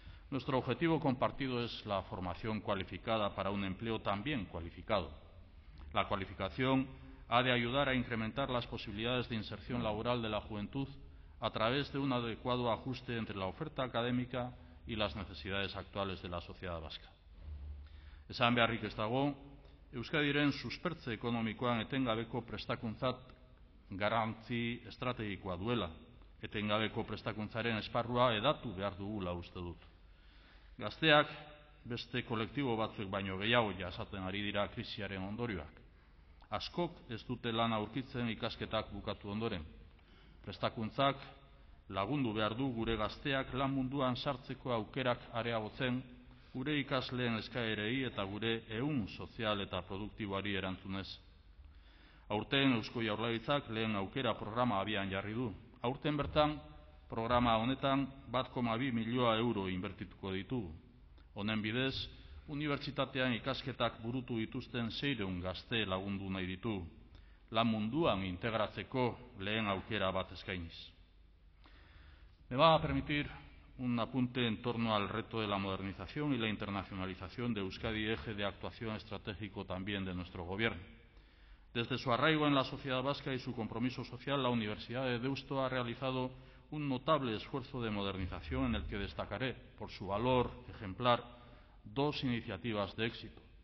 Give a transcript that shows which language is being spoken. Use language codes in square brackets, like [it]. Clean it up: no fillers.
[es] Nuestro objetivo compartido es la formación cualificada para un empleo también cualificado. La cualificación ha de ayudar a incrementar las posibilidades de inserción laboral de la juventud a través de un adecuado ajuste entre la oferta académica y las necesidades actuales de la sociedad vasca. [eu] Esan beharrik ez dago, Euskadiren suspertze ekonomikoan etengabeko prestakuntzat garrantzi estrategikoa duela. Etengabeko prestakuntzaren esparrua edatu behar dugula uste dut. Gazteak beste kolektibo batzuk baino gehiago jasaten ari dira krisiaren ondorioak. Askok ez dute lan aurkitzen ikasketak bukatu ondoren. Prestakuntzak lagundu behar du gure gazteak lan munduan sartzeko aukerak areagotzen, gure ikasleen eskaerei eta gure ehun sozial eta produktiboari erantzunez. Aurten Eusko Jaurlaritzak lehen aukera programa abian jarri du. Aurten bertan, programa honetan 1,2 milioi euro inbertituko ditugu. Honen bidez, unibertsitatean ikasketak burutu dituzten 600 gazte lagundu nahi ditu, lan munduan integratzeko lehen aukera bat eskainiz. [es] Me va a permitir un apunte en torno al reto de la modernización y la internacionalización de Euskadi, eje de actuación estratégico también de nuestro gobierno. Desde su arraigo en la sociedad vasca y su compromiso social, la Universidad de Deusto ha realizado un notable esfuerzo de modernización en el que destacaré, por su valor ejemplar, dos iniciativas de éxito.